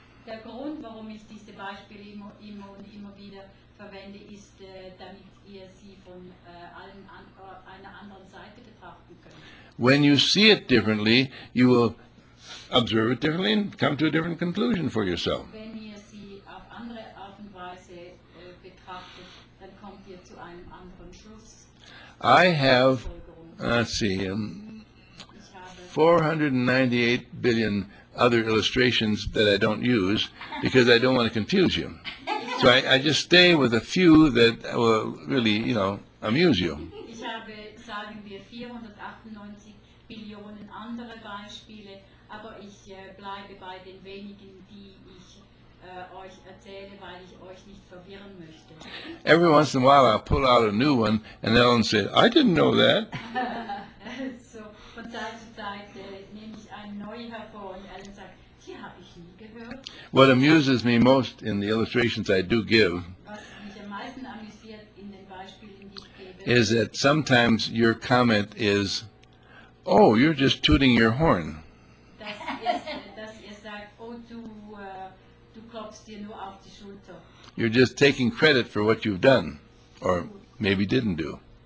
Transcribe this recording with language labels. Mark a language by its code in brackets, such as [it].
[de] Der Grund, warum ich diese Beispiele immer und immer wieder verwende, ist, damit ihr sie von einer anderen Seite betrachten könnt. [en] When you see it differently, you will observe it differently and come to a different conclusion for yourself. [de] Wenn ihr sie auf andere Art und Weise betrachtet, dann kommt ihr zu einem anderen Schluss. [en] I have... Let's see, 498 billion other illustrations that I don't use because I don't want to confuse you. So I just stay with a few that will really, you know, amuse you. [de] Ich habe, sagen wir, 498 Billionen andere Beispiele, aber ich bleibe bei den wenigen, die ich euch erzähle, weil ich euch nicht verwirren möchte. [en] Every once in a while I pull out a new one and Ellen said, I didn't know that. [de] So, von Zeit zu Zeit nehme ich eine neue hervor und Ellen sagt, die habe ich nie gehört. [en] What amuses me most in the illustrations I do give, [de] was mich am meisten amüsiert in den Beispielen, die ich gebe, [en] is that sometimes your comment is, oh, you're just tooting your horn. [de] Das ist, dass ihr sagt, oh, du klopfst dir nur auf die Schulter. [en] You're just taking credit for what you've done, or maybe didn't do.